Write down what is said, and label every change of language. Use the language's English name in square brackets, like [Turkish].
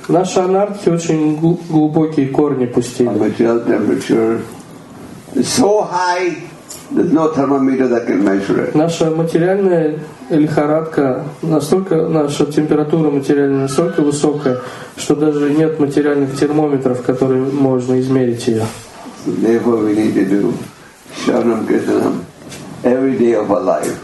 [Russian] Наши анархи очень глубокие корни пустили. [English] Our material temperature is so high, there's no thermometer that can measure it. [Russian] Наша материальная лихорадка настолько, наша температура материальная настолько высокая, что даже нет материальных термометров, которые можно измерить ее. [English] Therefore we need to do sharanam kirtanam every day of our life.